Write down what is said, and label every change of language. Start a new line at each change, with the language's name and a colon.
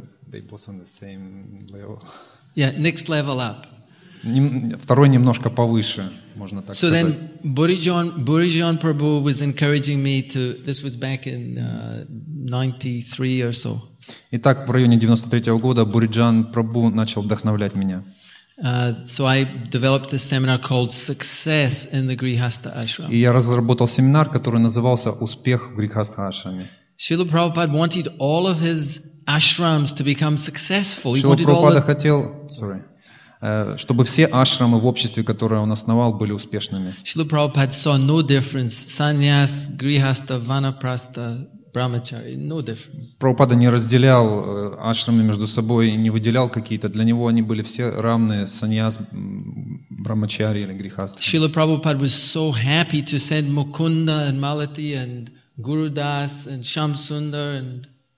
English: They both on the same level. Yeah, next level up.
Russian: Второй немножко повыше, можно так so сказать.
English: Then Burijan Prabhu was encouraging me to, this was back in 93 or so.
Russian: Итак, в районе 93 года Burijan Prabhu начал вдохновлять меня.
English: So I developed this seminar called Success in the Grihastha Ashram.
Russian: И я разработал семинар, который назывался Успех в Грихастха Ашраме.
English: Srila Prabhupada wanted all of his ashrams to become successful.
Russian: Srila Prabhupada хотел,
English: sorry.
Russian: Чтобы все ашрамы в обществе, которое он основал, были успешными.
English: Srila Prabhupada saw no difference. Sannyas, Grihastha, Vanaprastha, Brahmachari, no difference.
Russian: Прабхупада не разделял ашрамы между собой и не выделял какие-то. Для него они были все равны, саньяс, брамачари или грихастха.
English: Srila Prabhupada was so happy to send Mukunda and Malati and Gurudas and Shamsundar and...